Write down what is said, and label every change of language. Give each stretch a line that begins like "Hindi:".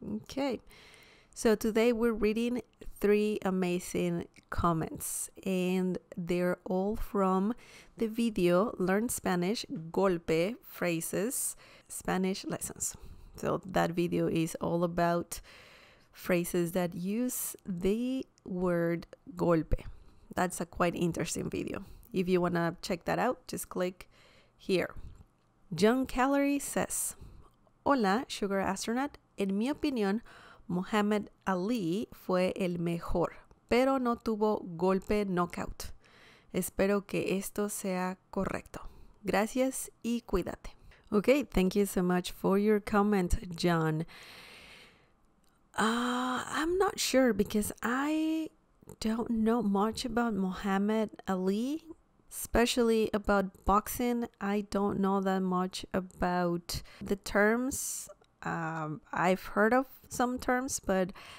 English: Okay, so today we're reading three amazing comments and they're all from the video Learn Spanish Golpe Phrases Spanish Lessons. So that video is all about phrases that use the word golpe. That's a quite interesting video. If you wanna check that out, just click here. John Callery says, Hola, Sugar Astronaut.
Spanish: En mi opinión, Muhammad Ali fue el mejor, pero no tuvo golpe knockout. Espero que esto sea correcto. Gracias y cuídate.
English: Okay, thank you so much for your comment, John. I'm not sure because I don't know much about Muhammad Ali. Especially about boxing, I don't know that much about the terms. I've heard of some terms, but